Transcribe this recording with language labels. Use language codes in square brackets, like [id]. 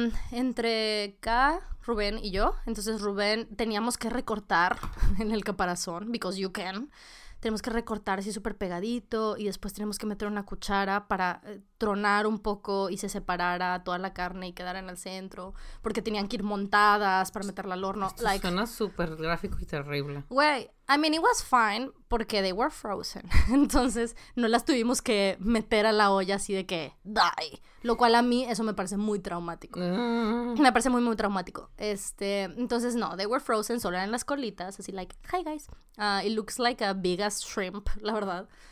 [es] Entre K, Rubén y yo. Entonces Rubén, teníamos que recortar en el caparazón, [en] because you can. [es] Tenemos que recortar así súper pegadito y después tenemos que meter una cuchara para tronar un poco y se separara toda la carne y quedara en el centro, porque tenían que ir montadas para meterla al horno. Esto suena súper gráfico y terrible. [en] Güey, I mean, it was fine porque they were frozen. [es] Entonces, no las tuvimos que meter a la olla así de que die. Lo cual a mí, eso me parece muy traumático. Me parece muy, muy traumático. Entonces, no, [en] they were frozen, [es] solo eran las colitas, así [en] like, hi guys. It looks like a big ass shrimp, [es] la verdad.